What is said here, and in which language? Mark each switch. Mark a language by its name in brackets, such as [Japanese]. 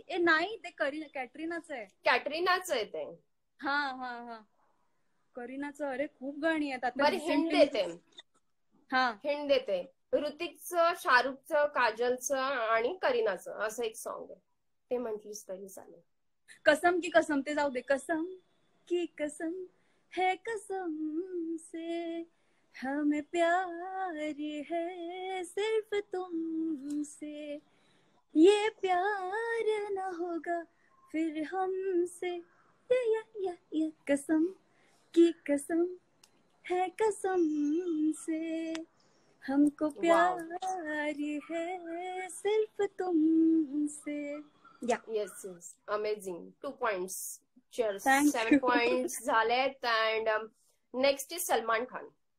[Marathi] नाही ते करीना कॅटरीनाच आहे. कॅटरीनाच आहे ते. हा हा हा. करीनाच अरे खूप गाणी आहेत आता. बरं हिंट देते. हा हिंट देते. ऋतिकच, शाहरुखच, काजलच आणि करीनाच असं एक सॉन्ग आहे. ते म्हटलीस तरी चालेल. कसम की कसम ते जाऊ दे. [Hindi] कसम की कसम हे कसम से हमें प्यार है सिर्फ तुमसे, ये प्यार ना होगा फिर हमसे. या कसम की कसम है कसम से हमको प्यार है सिर्फ तुमसे. [English] Yes yes amazing. 2 points. Cheers. 7 points झालेत. And next is Salman Khan.